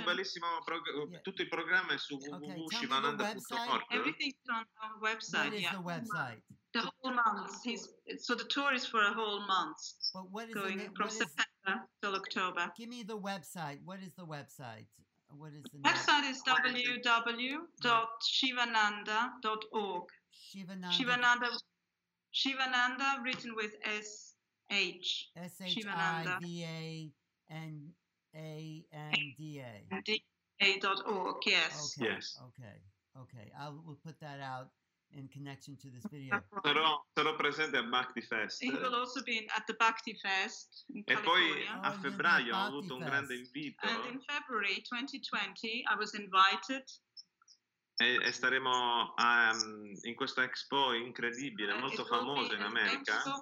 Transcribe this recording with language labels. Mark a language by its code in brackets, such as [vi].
[it] Ma un bellissimo tutto il programma è su www.shivananda.org. [en] Everything is on our website. What is the website? The whole month. So the tour is for a whole month. But what is going from September till October? Give me the website. What is the website? What is the website? Is www.shivananda.org. Shivananda. Shivananda, written with S H. S H I V A N A N D A. A.org. Yes. Okay. Yes. Okay. We'll put that out in connection to this video. [it] Sarò presente a Bhakti Fest. [en] He will also be at the Bhakti Fest in California. [it] E poi a febbraio ho avuto un grande invito. [en] And in February 2020 I was invited. [it] E staremo in questa expo incredibile, molto famosa in America.